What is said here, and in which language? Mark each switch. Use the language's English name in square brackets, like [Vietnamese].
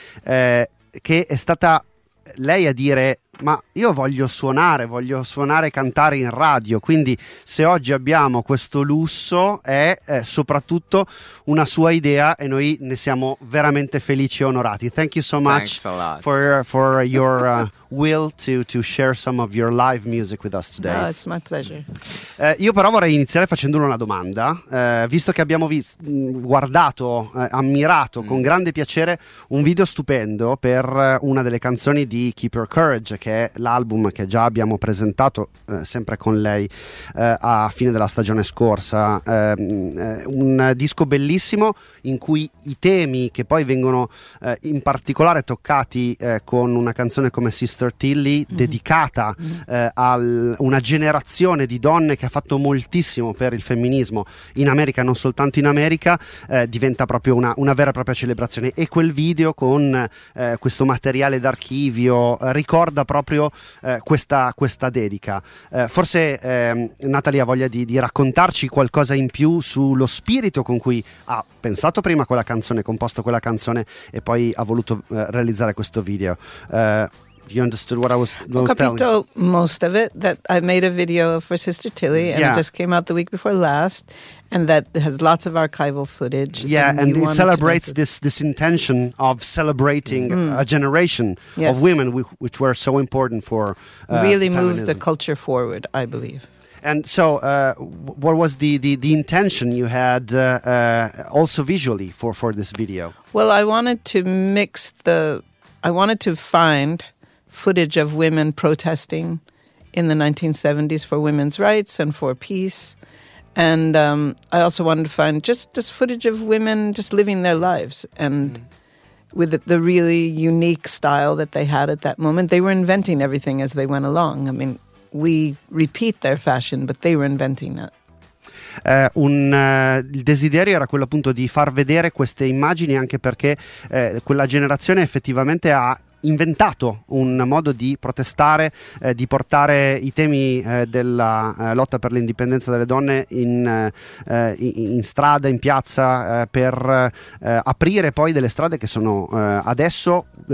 [Italian] Che è stata lei a dire ma io voglio suonare e cantare in radio, quindi se oggi abbiamo questo lusso è soprattutto una sua idea e noi ne siamo veramente felici e onorati. [English] Thank you so much. Thanks a lot. For your will to share some of your live music with us today. No, it's my pleasure. [Italian] Io però vorrei iniziare facendole una domanda, visto che abbiamo guardato, ammirato con grande piacere un video stupendo per una delle canzoni di Keep Your Courage, che è l'album che già abbiamo presentato sempre con lei a fine della stagione scorsa, un disco bellissimo in cui i temi che poi vengono in particolare toccati con una canzone come Sister Tilly, dedicata a una generazione di donne che ha fatto moltissimo per il femminismo in America, non soltanto in America, diventa proprio una vera e propria celebrazione. E quel video con questo materiale d'archivio ricorda proprio questa dedica. Forse Natalie ha voglia di raccontarci qualcosa in più sullo spirito con cui ha pensato prima quella canzone, composto quella canzone e poi ha voluto realizzare questo video. [English] You understood what I was telling. [Italian] Ho capito [English] most of it, that I made a video for Sister Tilly and it just came out the week before last and that has lots of archival footage. Yeah, and it celebrates this intention of celebrating a generation of women which were so important for really move the culture forward, I believe. And so what was the intention you had also visually for this video? Well, I wanted to find footage of women protesting in the 1970s for women's rights and for peace. And I also wanted to find just footage of women just living their lives and with the really unique style that they had at that moment. They were inventing everything as they went along. I mean, we repeat their fashion, but they were inventing it. [Italian] Il desiderio era quello appunto di far vedere queste immagini anche perché quella generazione effettivamente ha inventato un modo di protestare, di portare i temi della lotta per l'indipendenza delle donne in strada, in piazza, per aprire poi delle strade che sono adesso